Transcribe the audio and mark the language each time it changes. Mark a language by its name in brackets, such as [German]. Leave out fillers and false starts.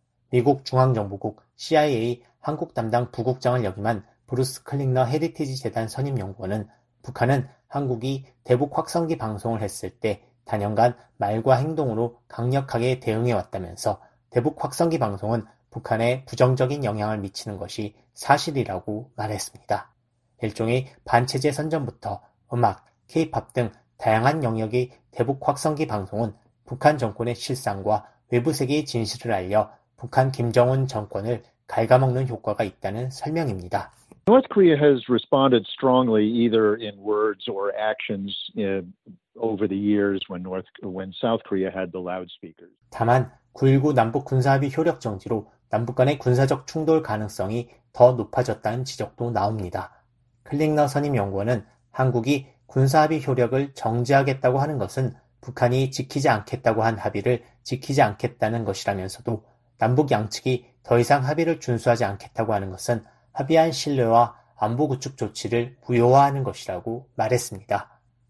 [Korean] 미국 중앙정보국 CIA 한국 담당 부국장을 역임한 브루스 클링너 헤리티지 재단 선임연구원은 북한은 한국이 대북 확성기 방송을 했을 때 단연간 말과 행동으로 강력하게 대응해왔다면서 대북 확성기 방송은 북한에 부정적인 영향을 미치는 것이 사실이라고 말했습니다. 일종의 반체제 선전부터 음악, K-POP 등 다양한 영역의 대북 확성기 방송은 북한 정권의 실상과 외부 세계의 진실을 알려 북한 김정은 정권을 갉아먹는 효과가 있다는 설명입니다. [English] North Korea has responded strongly either in words or actions over the years when South Korea had the loudspeakers. [Korean] 다만 9.19 남북 군사합의 효력 정지로 남북 간의 군사적 충돌 가능성이 더 높아졌다는 지적도 나옵니다. 클링너 선임 연구원은 한국이 군사합의 효력을 정지하겠다고 하는 것은 북한이 지키지 않겠다고 한 합의를 지키지 않겠다는 것이라면서도 남북 양측이 더 이상 합의를 준수하지 않겠다고 하는 것은 합의한 신뢰와 안보 구축 조치를 무효화하는 것이라고 말했습니다.